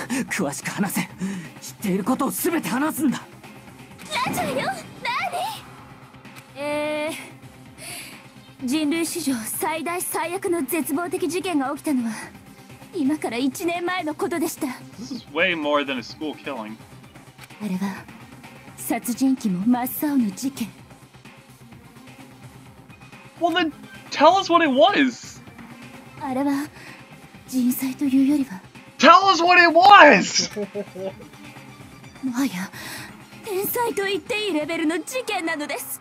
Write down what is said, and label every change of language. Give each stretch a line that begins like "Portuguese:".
Japanese: 詳しく話せ。知っていることを全て話すんだ。ラジオよ。何？人類史上最大最悪の絶望的事件が起きたのは今から1年前のことでした。
English: This is way more than a school killing.
Japanese: あれは殺人鬼も真っ青の事件。
English: Well then, tell us what it was.
Japanese: あれは人災というよりは
English: Tell us what it was.
Japanese: もはや天災と言っていいレベルの事件なのです。